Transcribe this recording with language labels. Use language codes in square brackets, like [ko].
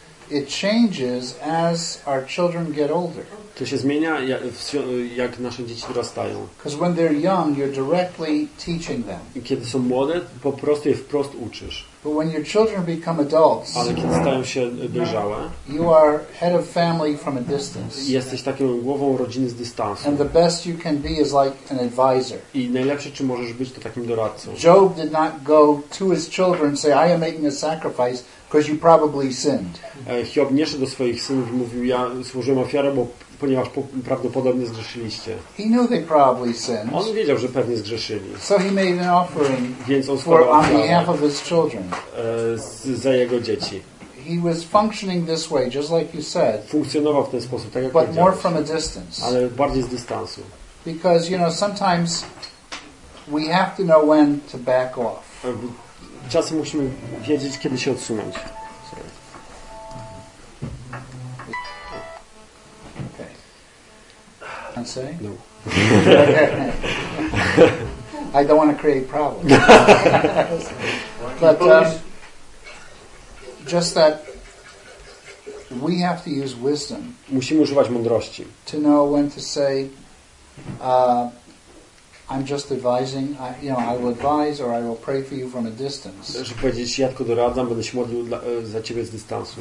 [en] It changes as our children get older. [pl] To się zmienia, jak nasze dzieci dorastają. [en] Because when they're young, you're directly teaching them. [pl] I kiedy są młode, po prostu je wprost uczysz. [en] But when your children become adults, [pl] ale kiedy stają się dojrzałe, [en] you are head of family from a distance. [pl] Jesteś takim głową rodziny z dystansu. [en] And the best you can be is like an advisor. [pl] I najlepsze, czy możesz być, to takim doradcą. [en] Job did not go to his children and say, "I am making a sacrifice." Because you probably sinned. [pl] Hiob nie szedł do swoich synów i mówił, ja służyłem ofiarę, bo ponieważ prawdopodobnie zgrzeszyliście. [en] He knew they probably sinned. [pl] On wiedział, że pewnie zgrzeszyli. [en] So he made an offering on behalf of his children. [pl] Za jego dzieci. [en] He was functioning this way, just like you said. [pl] Funkcjonował w ten sposób, tak jak [en] but more from a distance. [pl] Ale bardziej z dystansu. [en] Because you know, sometimes we have to know when to back off. [pl] Czasem musimy wiedzieć, kiedy się odsunąć. [en] Okay. I'm saying? No. I don't want to create problems. But just that we have to use wisdom. [pl] Musimy używać mądrości. [en] To know when to say I'm just advising, I will advise or I will pray for you from a distance. [pl] Żeby powiedzieć, ja tylko doradzam, będę się modlił za ciebie z dystansu.